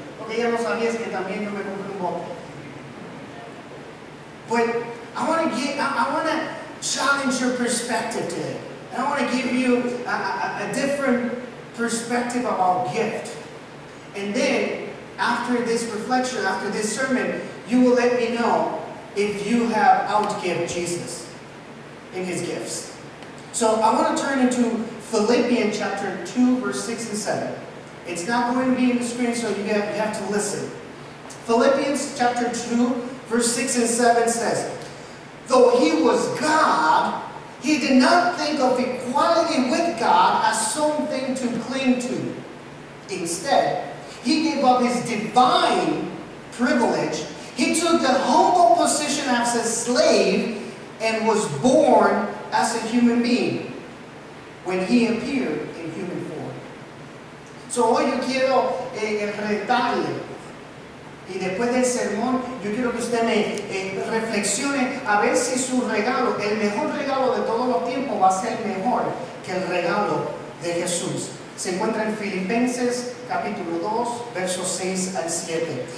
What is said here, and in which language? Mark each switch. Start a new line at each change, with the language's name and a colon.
Spanish: Porque ella no sabía que también yo me compré un bote.
English: But I want to challenge your perspective today. And I want to give you a different perspective about gift. And then, after this reflection, after this sermon, you will let me know if you have outgiven Jesus in his gifts. So I want to turn into Philippians chapter 2, verse 6 and 7. It's not going to be in the screen, so you have to listen. Philippians chapter 2, verse 6 and 7 says, though he was God, he did not think of equality with God as something to cling to. Instead, he gave up his divine privilege. He took the humble position as a slave and was born as a human being when he appeared in human form.
Spanish: So hoy yo quiero retarle. Y después del sermón, yo quiero que usted me reflexione a ver si su regalo, el mejor regalo de todos los tiempos, va a ser mejor que el regalo de Jesús. Se encuentra en Filipenses, capítulo 2, versos 6 al 7.